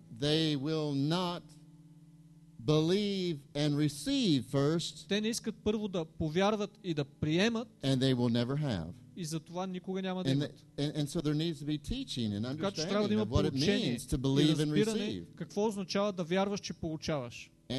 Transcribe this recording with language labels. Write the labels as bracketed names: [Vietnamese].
[English] they will not believe and receive first, [Bulgarian] те не искат първо да повярват и да приемат, [English] and they will never have. [Bulgarian] И затова никога няма да имат. [English] And so there needs to be teaching and understanding, [Bulgarian] така че трябва да има поучение [English] to believe and receive. [Bulgarian] Какво означава да вярваш, че получаваш?